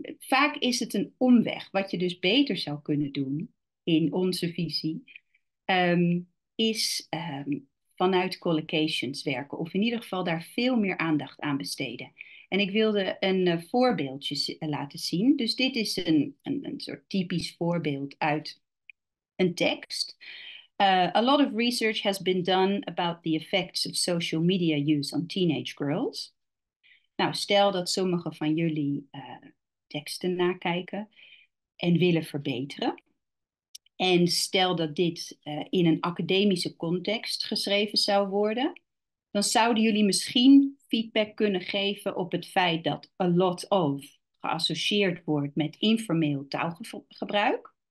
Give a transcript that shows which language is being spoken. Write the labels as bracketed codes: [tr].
[nl] Vaak is het een omweg. Wat je dus beter zou kunnen doen in onze visie, is vanuit collocations werken. Of in ieder geval daar veel meer aandacht aan besteden. En ik wilde een voorbeeldje laten zien. Dus dit is een soort typisch voorbeeld uit een tekst. [en] A lot of research has been done about the effects of social media use on teenage girls. [nl] Nou, stel dat sommigen van jullie teksten nakijken en willen verbeteren. En stel dat dit in een academische context geschreven zou worden, dan zouden jullie misschien feedback kunnen geven op het feit dat a lot of geassocieerd wordt met informeel taalgebruik.